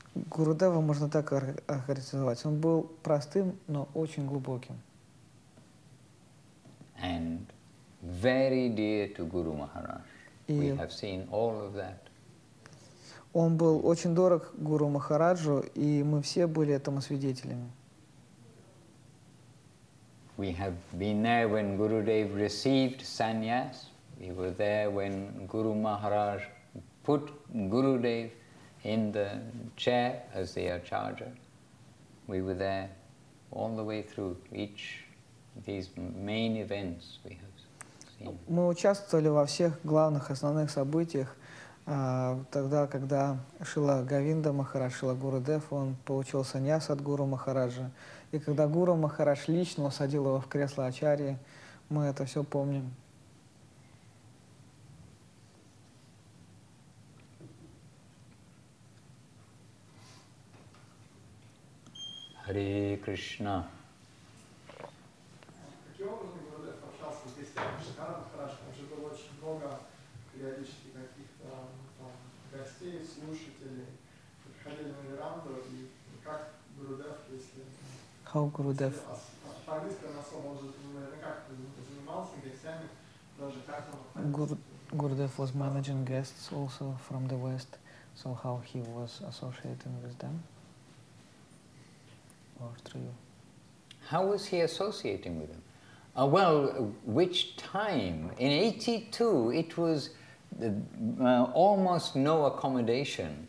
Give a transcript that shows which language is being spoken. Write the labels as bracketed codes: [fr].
[ru] Гурудева можно так охарактеризовать. Он был простым, но очень глубоким. [en] And very dear to Guru Maharaj. We have seen all of that. [ru] Он был очень дорог Гуру Махараджу, и мы все были этому свидетелями. [en] We have been there when Gurudev received sannyas. We were there when Guru Maharaj put Gurudev in the chair as the acharya. We were there all the way through each these main events we have seen. [ru] Мы участвовали во всех главных основных событиях тогда, когда Шрила Говинда Махарадж, Шрила Гурудев, он получил саньяс от Гуру Махараджа. И когда Гуру Махарадж лично усадил его в кресло ачарьи, мы это все помним. [en] Hare Krishna. [ru] Каким образом Гурудев общался здесь с Шикаром Махарадж? Там же было очень много периодически каких-то там гостей, слушателей. Приходили на веранду, и как Гурудев, если... [en] How Gurudev? [ru] По-английски на самом деле, он же, наверное, как занимался гостями, даже как он... [en] Гурудев was managing guests also from the West, so how he was associating with them? How was he associating with them? Well, which time? In 82, it was almost no accommodation.